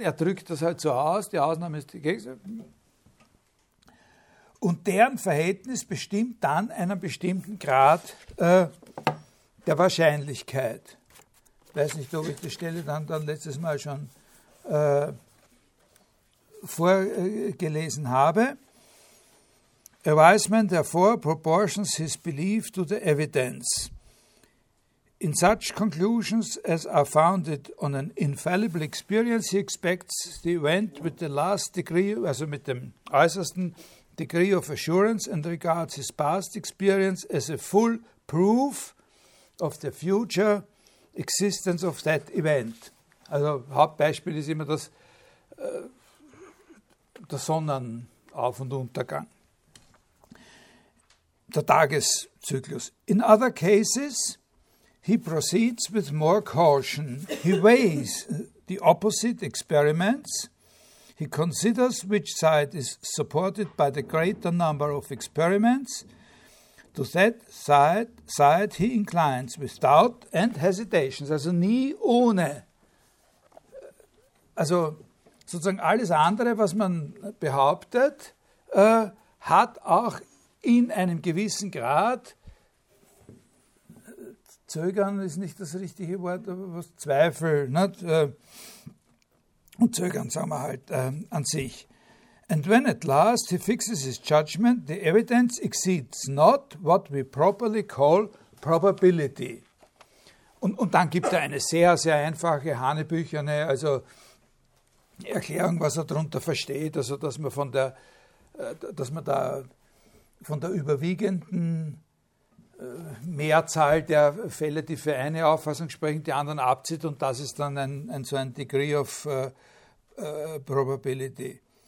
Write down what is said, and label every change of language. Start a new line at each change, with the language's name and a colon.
German: Er drückt das halt so aus, die Ausnahme ist die gegensätzliche. Und deren Verhältnis bestimmt dann einen bestimmten Grad der Wahrscheinlichkeit. Ich weiß nicht, ob ich die Stelle dann letztes Mal schon vorgelesen habe.
English: Erweisement therefore proportions his belief to the evidence. In such conclusions as are founded on an infallible experience, he expects the event with the last degree,
German: also mit dem äußersten
English: degree of assurance and regards his past experience as a full proof of the future existence of that event.
German: Also Hauptbeispiel ist immer das der Sonnenauf- und Untergang. Der Tageszyklus.
English: In other cases, he proceeds with more caution. He weighs the opposite experiments. He considers which side is supported by the greater number of experiments. To that side he inclines with doubt and hesitations.
German: Also nie ohne. Also sozusagen alles andere, was man behauptet, hat auch in einem gewissen Grad, zögern ist nicht das richtige Wort, aber was Zweifel, nicht? Und zögern, sagen wir halt, an sich.
English: And when at last he fixes his judgment, the evidence exceeds not what we properly call probability.
German: Und dann gibt er eine sehr, sehr einfache, hanebücherne, also Erklärung, was er darunter versteht, also dass man von der, dass man da von der überwiegenden Mehrzahl der Fälle, die für eine Auffassung sprechen, die anderen abzieht, und das ist dann ein so ein
English: Degree of Probability.